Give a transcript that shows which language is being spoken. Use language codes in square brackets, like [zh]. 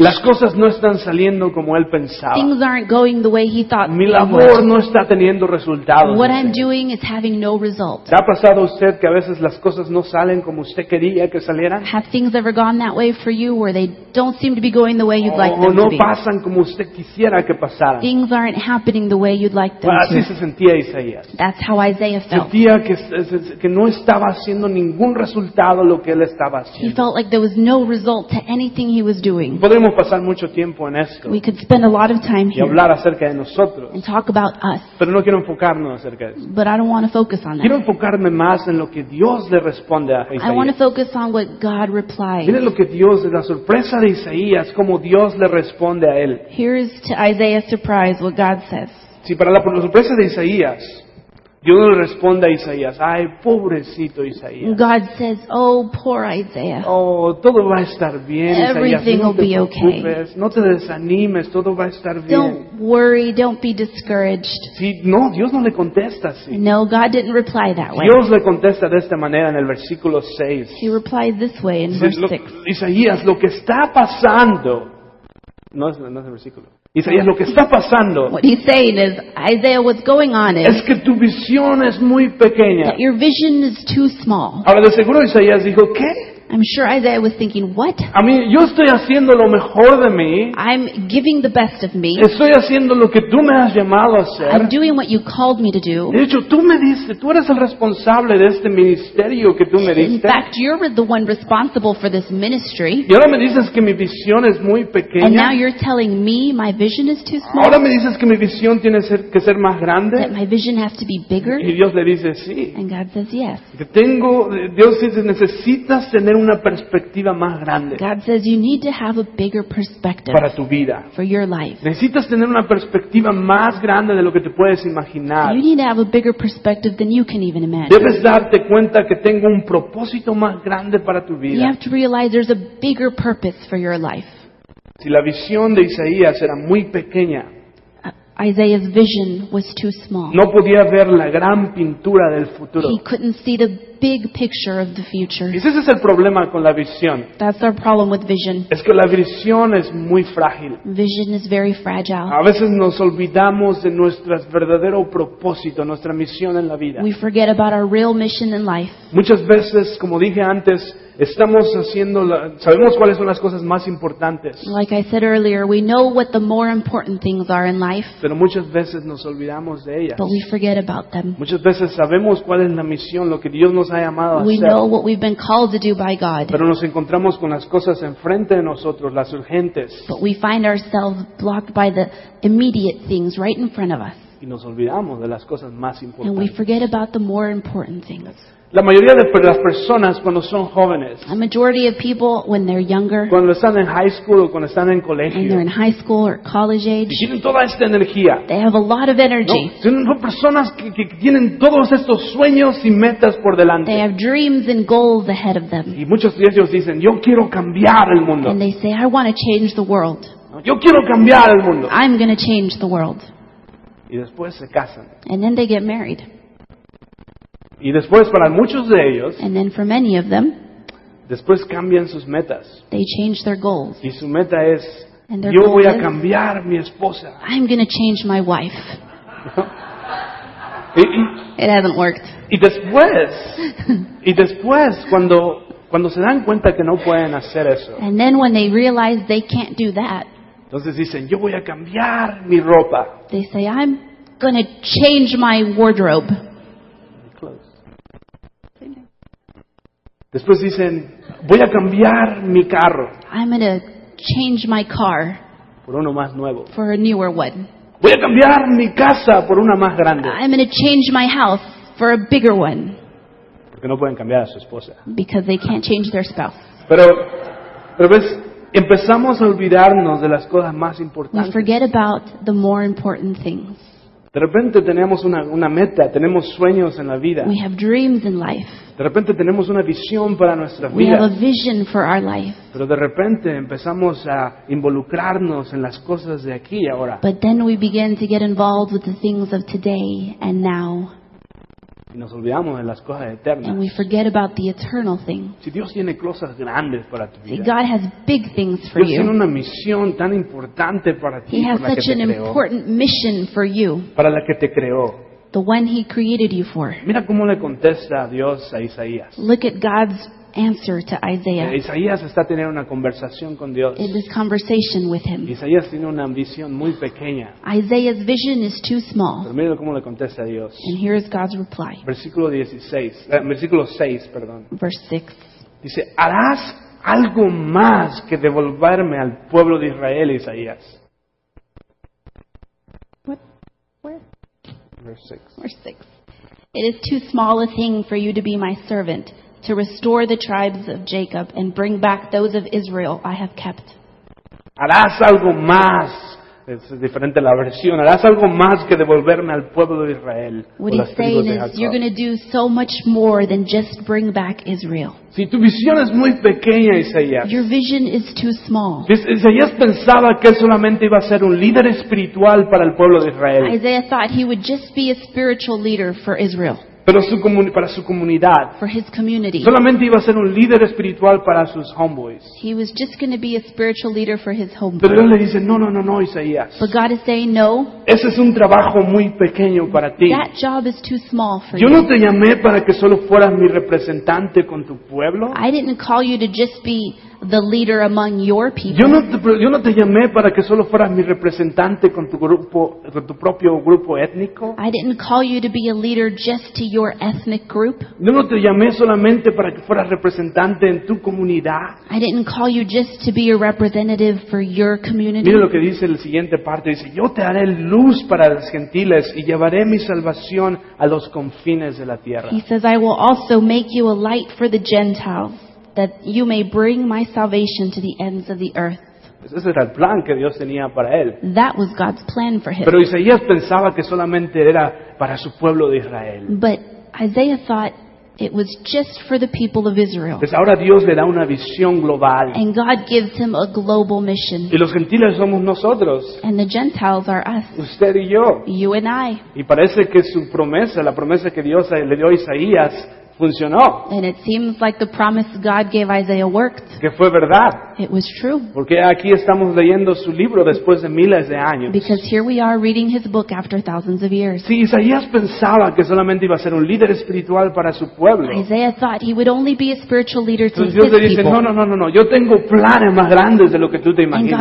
[es] Las cosas no están saliendo como él pensaba. [en] Things aren't going the way he thought. [es] Mi labor no está teniendo resultados. [en] What I'm doing is having no result. [es] ¿Ha pasado usted que a veces las cosas no salen como usted quería que salieran? [en] Have things ever gone that way for you where they don't don't seem to be going the way you'd like them [es] no [en] to be. [es] Pasan como usted quisiera que pasaran. [en] Things aren't happening the way you'd like them [es] bueno, Se sentía Isaías. [en] That's how Isaiah felt. [es] Sentía que no estaba haciendo ningún resultado lo que él estaba haciendo. [en] He felt like there was no result to anything he was doing. [es] Podemos pasar mucho tiempo en esto. [en] We could spend a lot of time here. [es] Y hablar acerca de nosotros. [en] And talk about us. [es] Pero no quiero enfocarnos acerca de eso. [en] But I don't want to focus on that. [es] Quiero enfocarme más en lo que Dios le responde a Isaías. [en] I want to focus on what God replies. [es] Miren lo que Dios, la sorpresa de Isaías, como Dios le responde a él. [en] Here is to Isaiah's surprise what God says. [es] Sí, para la sorpresa de Isaías, Dios le responde a Isaías, ay, pobrecito Isaías. [en] God says, oh, poor Isaiah. [es] Oh, todo va a estar bien, [en] everything [es] Isaías. [en] Everything no will be okay. [es] No te desanimes, todo va a estar bien. [en] Don't worry, don't be discouraged. [es] Sí, no, Dios no le contesta así. [en] No, God didn't reply that way. [es] Dios le contesta de esta manera en el versículo 6. [en] He replied this way in verse 6. [es] Isaías, lo que está pasando... No es el versículo. Isaías, lo que está pasando. [en] What he's saying is, Isaiah, what's going on is. [es] Es que tu visión es muy pequeña. [en] That your vision is too small. [es] Ahora de seguro Isaías dijo qué. [en] I'm sure Isaiah was thinking, what? [es] A mí, yo estoy haciendo lo mejor de mí. [en] I'm giving the best of me. [es] Estoy haciendo lo que tú me has llamado a hacer. [en] I'm doing what you called me to do. [es] De hecho, tú me diste, tú eres el responsable de este ministerio que tú me diste. [en] In fact, you're the one responsible for this ministry. [es] Y ahora me dices que mi visión es muy pequeña. [en] And now you're telling me my vision is too small. [es] Ahora me dices que mi visión tiene que ser más grande. [en] That my vision has to be bigger. [es] Y Dios le dice, sí. [en] And God says, yes. [es] Que tengo, Dios dice, necesitas tener una perspectiva más grande. [en] God says you need to have a bigger perspective [es] para tu vida. [en] For your life. [es] Necesitas tener una perspectiva más grande de lo que te puedes imaginar. [en] You need to have a bigger perspective than you can even imagine. [es] Debes darte cuenta que tengo un propósito más grande para tu vida. [en] You have to realize there's a bigger purpose for your life. [es] Si la visión de Isaías era muy pequeña, [en] Isaiah's vision was too small. [es] No podía ver la gran pintura del futuro. [en] He couldn't see the big picture of the future. [es] Y ese es el problema con la visión. [en] That's our problem with vision. [es] Es que la visión es muy frágil. [en] Vision is very fragile. [es] A veces nos olvidamos de nuestro verdadero propósito, nuestra misión en la vida. [en] We forget about our real mission in life. [es] Muchas veces, como dije antes, estamos haciendo sabemos cuáles son las cosas más importantes. [en] Like I said earlier, we know what the more important things are in life. [es] Pero muchas veces nos olvidamos de ellas. [en] But we forget about them. [es] Muchas veces sabemos cuál es la misión, lo que Dios nos ha llamado a hacer. [en] We know what we've been called to do by God. [es] Pero nos encontramos con las cosas enfrente de nosotros, las urgentes. [en] But we find ourselves blocked by the immediate things right in front of us. [es] Y nos olvidamos de las cosas más importantes. [en] And we forget about the more important things. [es] La mayoría de las personas cuando son jóvenes, [en] a majority of people when they're younger, [es] cuando están en high school o cuando están en colegio, [en] and they're in high school or college age, [es] tienen toda esta energía. [en] They have a lot of energy. [es] No, son personas que tienen todos estos sueños y metas por delante. [en] They have dreams and goals ahead of them. [es] Y muchos de ellos dicen, yo quiero cambiar el mundo. [en] And they say, I want to change the world. [es] Yo quiero cambiar el mundo. [en] I'm going to change the world. [es] Y después se casan. [en] And then they get married. [es] Y después para muchos de ellos, [en] and then for many of them, [es] después cambian sus metas. [en] They change their goals. [es] Y su meta es, yo voy a cambiar mi esposa. [en] I'm going to change my wife. It hasn't worked. [es] Y después cuando se dan cuenta que no pueden hacer eso. [en] And then when they realize they can't do that. [es] Entonces dicen, yo voy a cambiar mi ropa. [en] They say, I'm going to change my wardrobe. [es] Después dicen, voy a cambiar mi carro. [en] I'm going to change my car. [es] Por uno más nuevo. [en] For a newer one. [es] Voy a cambiar mi casa por una más grande. [en] I'm going to change my house for a bigger one. [es] Porque no pueden cambiar a su esposa. [en] Because they can't change their spouse. [es] Pero ves, empezamos a olvidarnos de las cosas más importantes. [en] We forget about the more important things. [es] De repente tenemos una meta, tenemos sueños en la vida. [en] We have dreams in life. [es] De repente tenemos una visión para nuestra vida. [en] We have a vision for our life. [es] Pero de repente empezamos a involucrarnos en las cosas de aquí y ahora. [en] But then we begin to get involved with the things of today and now. [es] Y nos olvidamos de las cosas eternas. [en] And we forget about the eternal thing. [es] Si Dios tiene cosas grandes para tu vida. [en] See, God has big things for you. [es] Dios tiene una misión tan importante para ti. [en] He has such an important mission for you. [es] Para la que te creó. [en] The one he created you for. [es] Mira cómo le contesta Dios a Isaías. [en] Look at God's answer to Isaiah. [es] Isaías está teniendo una conversación con Dios. [en] In this conversation with him. [es] Isaías tiene una ambición muy pequeña. [en] Isaiah's vision is too small. [es] Pero mira cómo le contesta a Dios. [en] And here is God's reply. [es] Versículo 6. [en] Verse 6. [es] Dice, ¿harás algo más que devolverme al pueblo de Israel, Isaías? [en] Verse 6. It is too small a thing for you to be my servant, to restore the tribes of Jacob and bring back those of Israel I have kept. [es] ¿Harás algo más? Es diferente la versión. ¿Harás algo más que devolverme al pueblo de Israel? [en] What he's saying is, you're going to do so much more than just bring back Israel. [es] Si tu visión es muy pequeña, Isaías. [en] Your vision is too small. [es] Isaías pensaba que solamente iba a ser un líder espiritual para el pueblo de Israel. [en] Isaiah thought he would just be a spiritual leader for Israel. [es] Pero para su comunidad. [en] For his community. [es] Solamente iba a ser un líder espiritual para sus homeboys. [en] He was just going to be a spiritual leader for his homeboys. [es] Pero Dios le dice, no, Isaías. [en] But God is saying, no. [es] Ese es un trabajo muy pequeño para ti. [en] That job is too small for you. [es] Yo no te llamé para que solo fueras mi representante con tu pueblo. [en] I didn't call you to just be the leader among your people. [es] Yo no te llamé para que solo fueras mi representante con tu grupo, con tu propio grupo étnico. [en] I didn't call you to be a leader just to your ethnic group. [es] Yo no te llamé solamente para que fueras representante en tu comunidad. [en] I didn't call you just to be a representative for your community. [es] Mira lo que dice la siguiente parte. Dice, yo te haré luz para los gentiles y llevaré mi salvación a los confines de la tierra. [en] He says, I will also make you a light for the Gentiles, that you may bring my salvation to the ends of the earth. [es] Ese era el plan que Dios tenía para él. [en] That was God's plan for him. [es] Pero Isaías pensaba que solamente era para su pueblo de Israel. [en] But Isaiah thought it was just for the people of Israel. [es] Pues ahora Dios le da una visión global. [en] And God gives him a global mission. [es] Y los gentiles somos nosotros. [en] And the Gentiles are us. [es] Usted y yo. [en] You and I. [es] Y parece que su promesa, la promesa que Dios le dio a Isaías, funcionó. [en] And it seems like the promise God gave Isaiah worked. [es] Que fue verdad. [en] It was true. [es] Porque aquí estamos leyendo su libro después de miles de años. [en] Because here we are reading his book after thousands of years. [es] Si Isaías pensaba que solamente iba a ser un líder espiritual para su pueblo. [en] Isaiah thought he would only be a spiritual leader to his people. [es] Entonces Dios le dice, no, yo tengo planes más grandes de lo que tú te imaginas.